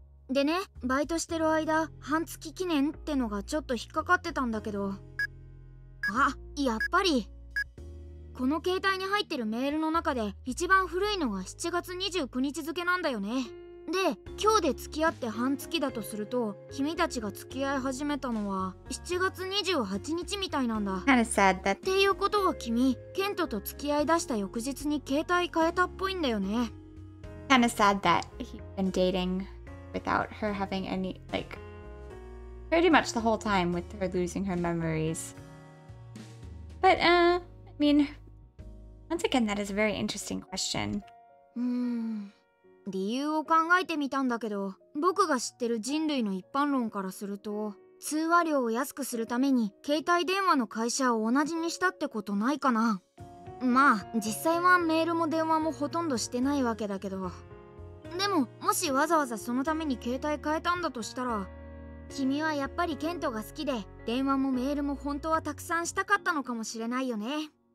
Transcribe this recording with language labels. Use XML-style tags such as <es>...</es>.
<ja>でね、バイトしてる間半月記念ってのがちょっと引っかかってたんだけど、あ、やっぱりこの携帯に入ってるメールの中で一番古いのが7月29日付なんだよね。で、今日で付き合って半月だとすると、君たちが付き合い始めたのは7月28日みたいなんだ。</ja> <en>Kind of sad that...</en> <ja>っていうことは君、ケントと付き合い出した翌日に携帯変えたっぽいんだよね。</ja> <en>Kind of sad that he's been dating without her having any, like, pretty much the whole time with her losing her memories. But, I mean, once again, that is a very interesting question.</en> <ja>理由を考えてみたんだけど、僕が知ってる人類の一般論からすると、通話料を安くするために携帯電話の会社を同じにしたってことないかな。まあ実際はメールも電話もほとんどしてないわけだけど、でももしわざわざそのために携帯変えたんだとしたら、君はやっぱりケントが好きで電話もメールも本当はたくさんしたかったのかもしれないよね。</ja>